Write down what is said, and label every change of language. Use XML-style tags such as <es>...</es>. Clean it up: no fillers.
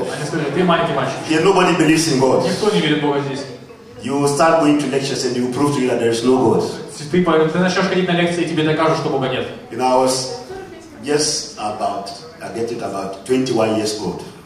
<ru>Они сказали, ты маленький мальчик.</ru> <en>Here nobody believes in God.</en> <ru>Никто не верит в Бога здесь.</ru> <en>You will start going to lectures and you will prove to you that there is no God.</en> <ru>Ты начнешь ходить на лекции, и тебе докажут, что Бога нет.</ru> <en>You know, I was just about, I get it about 21 years old.</en>